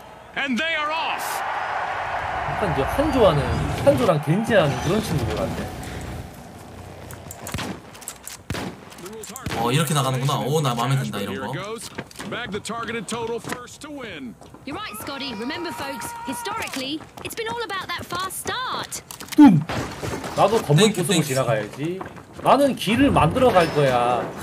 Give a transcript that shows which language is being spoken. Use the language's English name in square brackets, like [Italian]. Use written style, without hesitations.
[Korean] 약간 이제 한조하는 한조랑 겐지하는 그런 친구들 같네. 어 이렇게 나가는구나. 오 나 마음에 든다 이런 거. [English] Bag the targeted total first to win. You're right, Scotty. Remember, folks, historically, it's been all about that fast start. 뚱! [Korean] 나도 건물 구성을 지나가야지. 나는 길을 만들어 갈 거야.